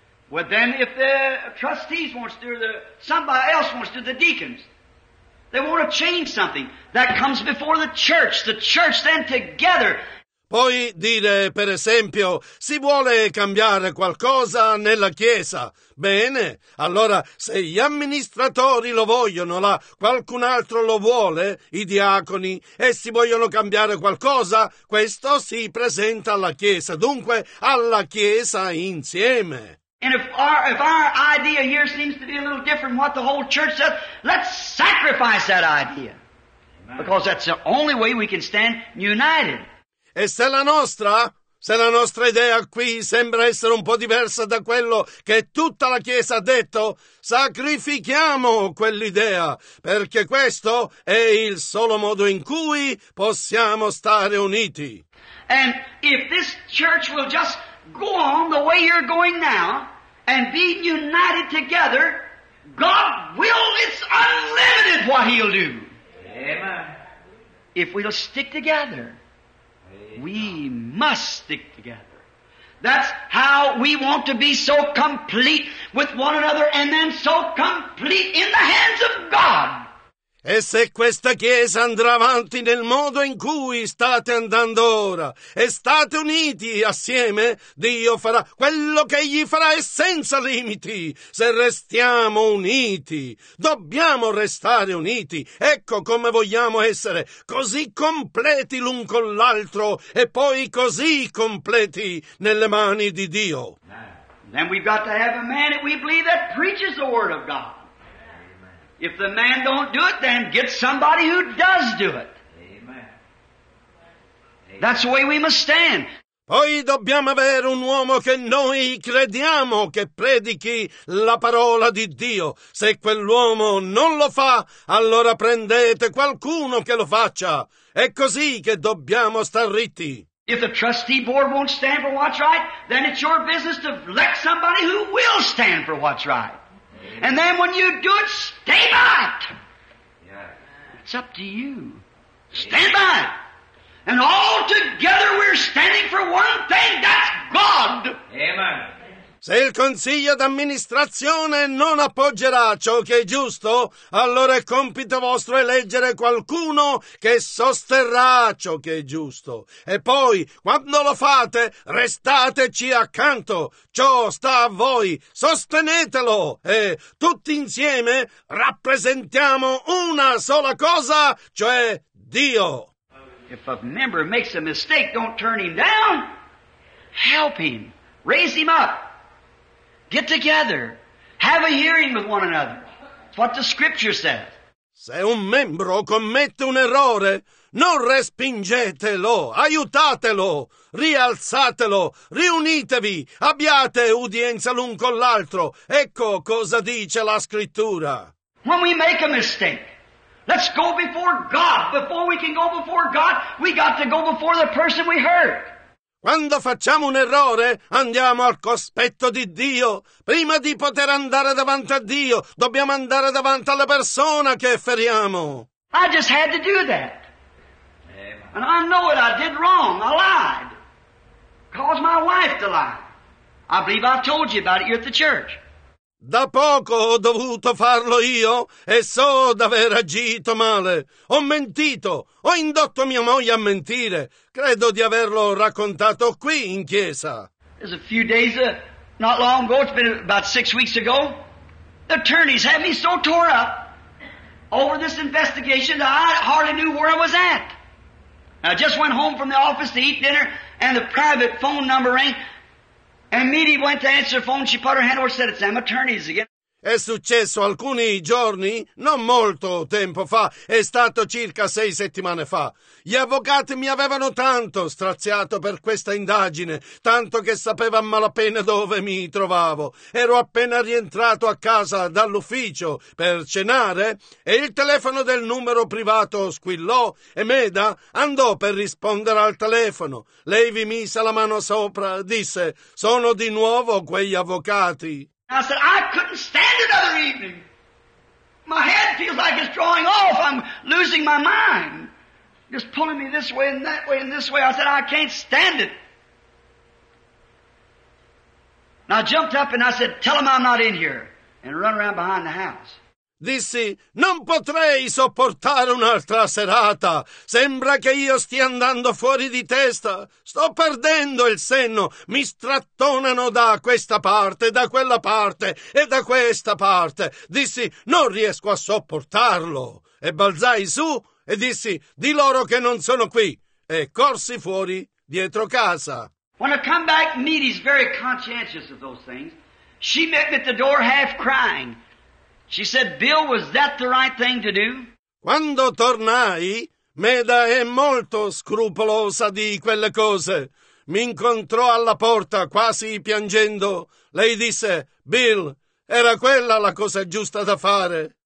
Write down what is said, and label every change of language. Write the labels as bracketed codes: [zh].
[en] Well, then if the trustees wants to, or the, somebody else wants to, the deacons, they want to change something. That comes before the church. The church then together. [it] Poi dire, per esempio, si vuole cambiare qualcosa nella Chiesa. Bene, allora se gli amministratori lo vogliono, là qualcun altro lo vuole, i diaconi, e si vogliono cambiare qualcosa, questo si presenta alla Chiesa. Dunque, alla Chiesa insieme. [en] And if our idea here seems to be a little different from what the whole church does, let's sacrifice that idea. Amen. Because that's the only way we can stand united. [it] E se la nostra idea qui sembra essere un po' diversa da quello che tutta la Chiesa ha detto, sacrifichiamo quell'idea, perché questo è il solo modo in cui possiamo stare uniti. [en] And if this church will just go on the way you're going now and be united together, God will, it's unlimited what He'll do. Amen. If we'll stick together, we must stick together. That's how we want to be so complete with one another and then so complete in the hands of God. [it] E se questa Chiesa andrà avanti nel modo in cui state andando ora e state uniti assieme, Dio farà quello che Egli farà e senza limiti. Se restiamo uniti, dobbiamo restare uniti. Ecco come vogliamo essere così completi l'un con l'altro e poi così completi nelle mani di Dio. [en] Then we've got to have a man that we believe that preaches the Word of God. If the man don't do it, then get somebody who does do it. Amen. That's the way we must stand. [it] Poi dobbiamo avere un uomo che noi crediamo che predichi la parola di Dio. Se quell'uomo non lo fa, allora prendete qualcuno che lo faccia. È così che dobbiamo star ritti. [en] If the trustee board won't stand for what's right, then it's your business to elect somebody who will stand for what's right. And then when you do it, stay by it. Yeah. It's up to you. Stand by it. And all together we're standing for one thing, that's God. Amen. [it] Se il consiglio d'amministrazione non appoggerà ciò che è giusto, allora è compito vostro eleggere qualcuno che sosterrà ciò che è giusto. E poi, quando lo fate, restateci accanto. Ciò sta a voi. Sostenetelo. E tutti insieme rappresentiamo una sola cosa, cioè Dio. [en] If a member makes a mistake, don't turn him down. Help him. Raise him up. Get together. Have a hearing with one another. It's what the scripture says. [it] Se un membro commette un errore, non respingetelo, aiutatelo, rialzatelo, riunitevi, abbiate udienza l'un con l'altro. Ecco cosa dice la scrittura. [en] When we make a mistake, let's go before God. Before we can go before God, we got to go before the person we hurt. [it] Quando facciamo un errore, andiamo al cospetto di Dio. Prima di poter andare davanti a Dio, dobbiamo andare davanti alla persona che feriamo. [en] I just had to do that. And I know it, I did wrong, I lied. Caused my wife to lie. I believe I told you about it here at the church. [it] Da poco ho dovuto farlo io e so d'aver agito male. Ho mentito, ho indotto mia moglie a mentire. Credo di averlo raccontato qui in chiesa. [en] It's a few days, not long ago, it's been about 6 weeks ago, the attorneys had me so tore up over this investigation that I hardly knew where I was at. I just went home from the office to eat dinner and the private phone number rang. And Meadie went to answer the phone, she put her hand over and said, it's them attorneys again. [it] È successo alcuni giorni, non molto tempo fa, è stato circa 6 settimane fa. Gli avvocati mi avevano tanto straziato per questa indagine, tanto che sapeva a malapena dove mi trovavo. Ero appena rientrato a casa dall'ufficio per cenare e il telefono del numero privato squillò e Meda andò per rispondere al telefono. Lei vi mise la mano sopra e disse, sono di nuovo quegli avvocati. [en] I said, I couldn't stand another evening. My head feels like it's drawing off. I'm losing my mind. Just pulling me this way and that way and this way. I said, I can't stand it. And I jumped up and I said, tell them I'm not in here. And run around behind the house. [it] Dissi, non potrei sopportare un'altra serata. Sembra che io stia andando fuori di testa. Sto perdendo il senno. Mi strattonano da questa parte, da quella parte e da questa parte. Dissi, non riesco a sopportarlo. E balzai su e dissi, di loro che non sono qui. E corsi fuori dietro casa. [en] When I come back, Meadie's very conscientious of those things. She met me at the door half crying. She said, Bill, was that the right thing to do? [it] Quando tornai, Meda è molto scrupolosa di quelle cose. Mi incontrò alla porta quasi piangendo. Lei disse, Bill, era quella la cosa giusta da fare.